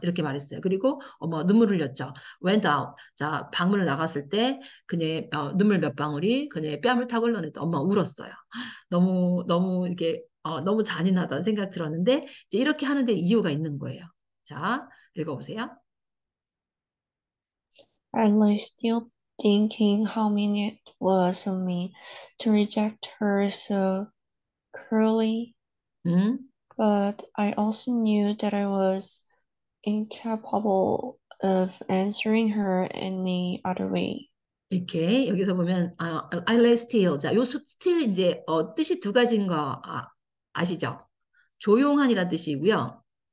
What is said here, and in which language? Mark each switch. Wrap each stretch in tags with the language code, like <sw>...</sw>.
<ko>이렇게 말했어요. 그리고 눈물을 흘렸죠.</ko> <en>Went out.</en> <ko>자, 방문을 나갔을 때 그녀의 눈물 몇 방울이 그녀의 뺨을 타고 흘러냈다. 엄마 울었어요. 너무 너무 이렇게 너무 잔인하다는 생각 들었는데 이제 이렇게 하는데 이유가 있는 거예요. 자, 읽어보세요.</ko> <en>I lay still thinking how mean it was of me to reject her so cruelly, but I also knew that I was incapable of answering her any other way.</en> <ko>이렇게 여기서 보면</ko> <en>I lay still.</en> <ko>자, 요 still 이제 뜻이 두 가지인 거 아시죠? 조용한이라는 뜻이고요.</ko>